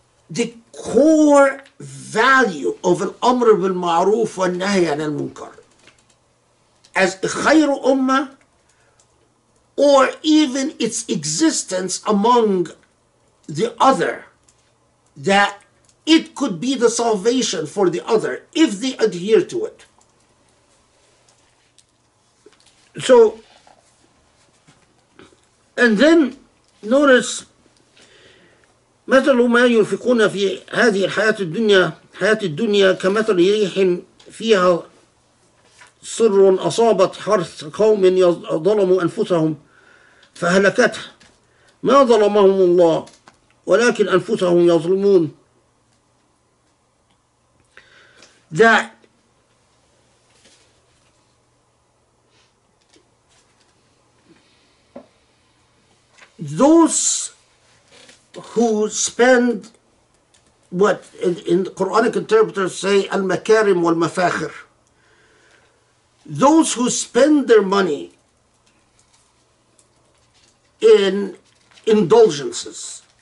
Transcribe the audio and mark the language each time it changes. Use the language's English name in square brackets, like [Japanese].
[English] the core value of an amr bil ma'roof wa nahy an al munkar as a khayr ummah, or even its existence among the other, that it could be the salvation for the other if they adhere to it. So, and then notice, [Arabic] مثل ما ينفقون في هذه الحياة الدنيا كمثل ريح فيها سر أصابت حرث قوم ظلموا أنفسهم فهلكته ما ظلمهم الله ولكن أنفسهم يظلمون. [English] That those who spend what in the Quranic interpreters say al-makarim wal-mafakhir, those who spend their money in indulgences.